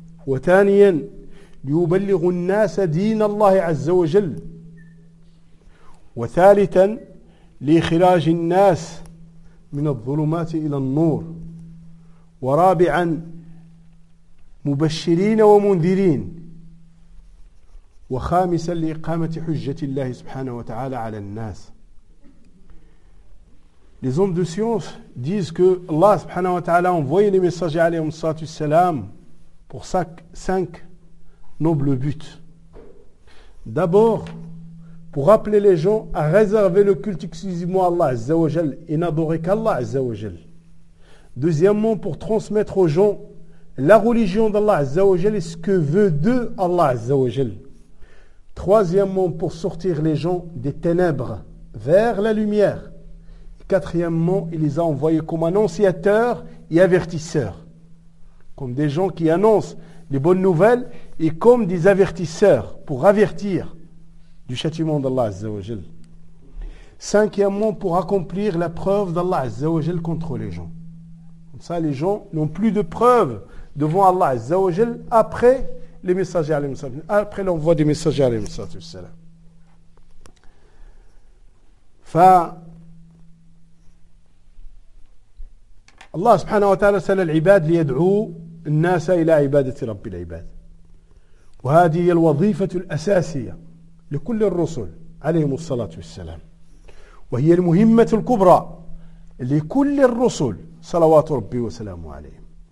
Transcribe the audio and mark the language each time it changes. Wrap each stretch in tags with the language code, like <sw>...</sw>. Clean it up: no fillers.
<ar>وثانيا ليبلغ الناس دين الله عز وجل، وثالثا لإخراج الناس من الظلمات إلى النور، ورابعا مبشرين ومنذرين، وخامسا لإقامة حجة الله سبحانه وتعالى على الناس.</ar> <fr>Les hommes de science disent que Allah سبحانه وتعالى envoie les messagers عليهم الصلاة والسلام pour cinq nobles buts. D'abord, pour appeler les gens à réserver le culte exclusivement à Allah Azza wa Jal et n'adorer qu'Allah Azza wa Jal. Deuxièmement, pour transmettre aux gens la religion d'Allah Azza wa Jal et ce que veut d'eux Allah Azza wa Jal. Troisièmement, pour sortir les gens des ténèbres vers la lumière. Quatrièmement, il les a envoyés comme annonciateurs et avertisseurs. Comme des gens qui annoncent les bonnes nouvelles et comme des avertisseurs pour avertir du châtiment d'Allah Azza wa Jal. Cinquièmement, pour accomplir la preuve d'Allah Azza wa Jal contre les gens. Comme ça, les gens n'ont plus de preuves devant Allah Azza wa Jal après les messagers alayhi sallam, après l'envoi des messagers alayhi sallam.</fr> <ar>Fa الله سبحانه وتعالى سأل العباد ليدعو الناس إلى عبادة رب العباد، وهذه هي الوظيفة الأساسية لكل الرسل عليهم الصلاة والسلام، وهي المهمة الكبرى لكل الرسل صلوات ربي وسلامه عليهم.</ar>